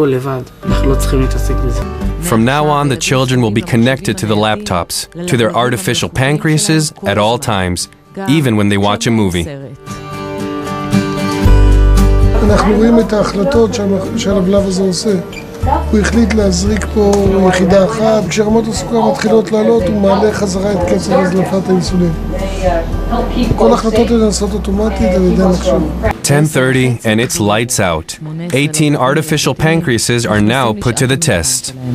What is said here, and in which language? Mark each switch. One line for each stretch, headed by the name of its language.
English: From now on, the children will be connected to the laptops, to their artificial pancreases at all times, even when they watch a movie.
Hebrew: אנחנו רואים את ההחלטות שהלבלב הזה עושה. הוא החליט להזריק פה יחידה אחת. כשרמות הסוכר מתחילות לעלות, הוא מעלה חזרה את קצב הזלפת האינסולין. כל ההחלטות לנסות אוטומטית על ידי המחשב.
English: 10:30 and it's lights out. 18 artificial pancreases are now put to the test.